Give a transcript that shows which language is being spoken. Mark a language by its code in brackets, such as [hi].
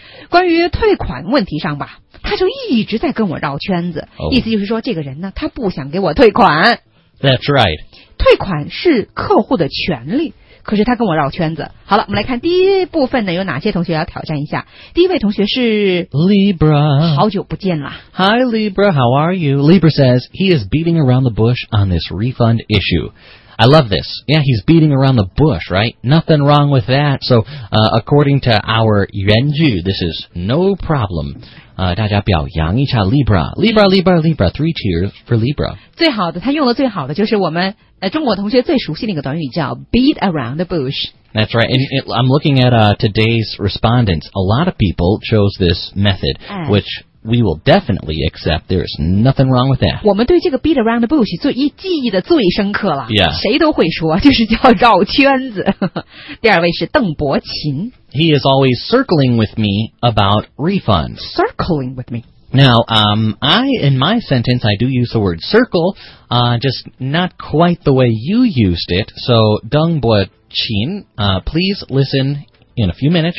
[zh] 关于退款问题上吧，他就一直在跟我绕圈子。 [en] Oh. [zh] 意思就是说，这个人呢，他不想给我退款。 [en] That's right. [zh] 退款是客户的权利，可是他跟我绕圈子。好了，我们来看第一部分呢，有哪些同学要挑战一下？第一位同学是 Libra，好久不见了。 [en] Hi Libra, how are you? Libra says he is beating around the bush on this refund issue. I love this. Yeah, he's beating around the bush, right? Nothing wrong with that. So, according to our 原句, this is no problem. [zh] 大家表扬一下 Libra [en] 3 cheers for Libra [zh] 最好的他用的最好的就是我们、中国同学最熟悉的一个短语叫 [en] beat around the bush That's right and I'm looking at today's respondents a lot of people chose this method、哎、 which we will definitely accept there is nothing wrong with that [zh] 我们对这个 [en] beat around the bush [zh] 最记忆的最深刻了、 [en] yeah. [zh] 谁都会说就是叫绕圈子第二位是邓伯琴 [en] He is always circling with me about refunds. Circling with me. Now, in my sentence, I do use the word circle, just not quite the way you used it. So, Deng Bo Qin, please listen in a few minutes.